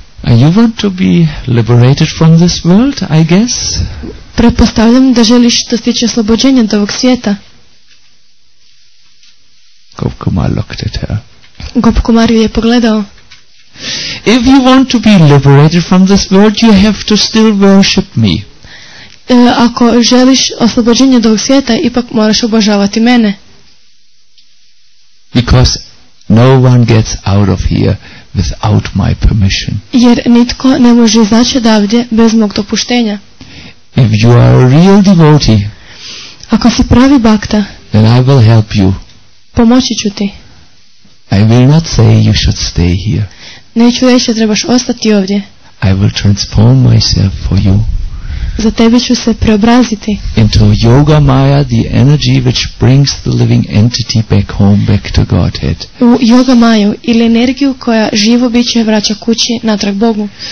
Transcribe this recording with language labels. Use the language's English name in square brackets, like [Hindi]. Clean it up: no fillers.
[English] You want to be liberated from this world, I guess? [Croatian] Pretpostavljam da želiš da stiče oslobođenje od ovog svijeta. [English] Gop Kumar looked at her. [Croatian] Gop Kumar ju je pogledao. [English] If you want to be liberated from this world, you have to still worship me. [Croatian] Ako želiš oslobođenje od ovog svijeta, ipak moraš obožavati mene. [English] Because no one gets out of here without my permission. [Croatian] Jer nitko ne može izaći odavde bez mog dopuštenja. [English] If you are a real devotee, [Croatian] ako si pravi bhakta, [English] then I will help you. [Croatian] Pomoći ću ti. [English] I will not say you should stay here. [Croatian] Neću reći da trebaš ostati ovdje. [English] I will transform myself for you. [Croatian] Za tebe ću se preobraziti. [English] Into yoga maya, the energy which brings the living entity back home, back to Godhead. [Croatian] U yoga maju ili energiju koja živo biće vraća kući natrag Bogu.